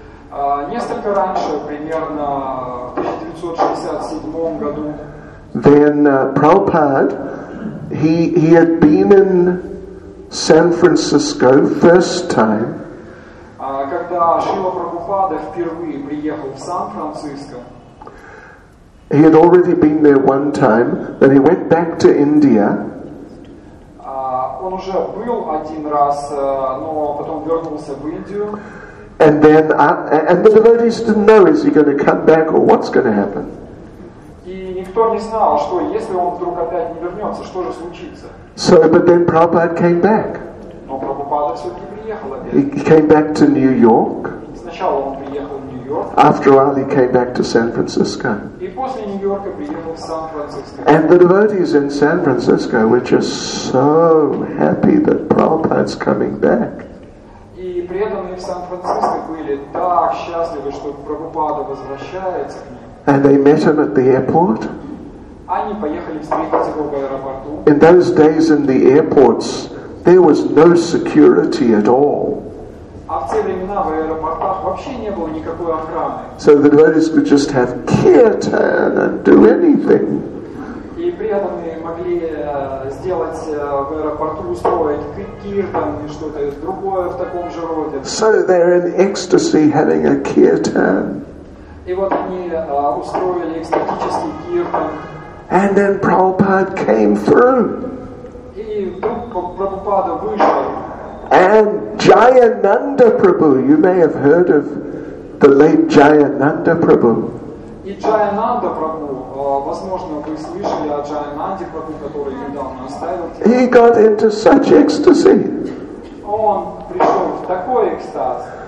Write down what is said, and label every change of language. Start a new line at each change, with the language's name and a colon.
English: then Prabhupada, he had been in San Francisco first time.
Russian: Когда Шрила Прабхупада впервые приехал в Сан-Франциско,
English: he had already been there one time, then he went back to India.
Russian: Он уже был один раз, но потом вернулся в Индию.
English: And then and the devotees didn't know, is he going to come back or what's going to happen?
Russian: И никто не знал, что если он вдруг опять не вернется, что же случится?
English: So, but then Prabhupada came back.
Russian: Но Прабхупада все-таки приехал опять.
English: He came back to New York.
Russian: Сначала он приехал в Нью-Йорк.
English: After a while, he came back to San Francisco.
Russian: И после Нью-Йорка приехал в Сан-Франциско.
English: And the devotees in San Francisco were just so happy that Prabhupada's coming back.
Russian: И преданные в Сан-Франциско были так счастливы, что Прабхупада возвращается к ним.
English: And they met him at the airport.
Russian: Они поехали встретить его в аэропорту.
English: In those days in the airports, there was no security at all.
Russian: А в те времена в аэропортах вообще не было никакой охраны.
English: So the devotees could just have kirtan and do anything.
Russian: И при преданные могли сделать в аэропорту, устроить киртан или что-то другое в таком же роде.
English: So they're in ecstasy having a kirtan.
Russian: И вот они устроили экстатический киртан.
English: And then Prabhupada came through.
Russian: И вдруг Прабхупада вышел.
English: And Jayananda Prabhu, you may have heard of the late Jayananda Prabhu.
Russian: И Джаянанда Прабху, возможно, вы слышали о Джаянанде Прабху, который недавно оставил.
English: He got into such ecstasy.
Russian: Он пришел в такой экстаз.